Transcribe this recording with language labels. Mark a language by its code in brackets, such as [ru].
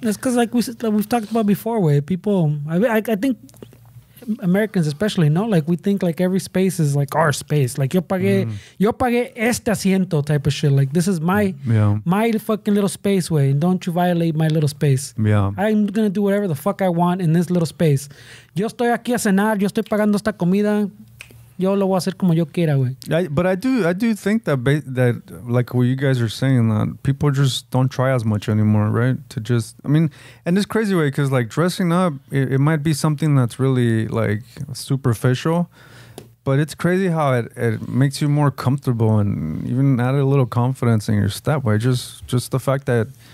[en] That's because like we've talked about before, where people, I think Americans especially, no? Like we think like every space is like our space. Like [es] yo pagué este asiento [en] type of shit. Like this is my fucking little space way. And don't you violate my little space. Yeah. I'm going to do whatever the fuck I want in this little space. [es] Yo estoy aquí a cenar. Yo estoy pagando esta comida. Yo lo voy a hacer como yo quiera, güey. [en] But I do think that like what you guys are saying, that people just don't try as much anymore, right? To just, I mean, and it's crazy, way because like dressing up, it might be something that's really like superficial, but it's crazy how it makes you more comfortable and even add a little confidence in your step, right? Just the fact that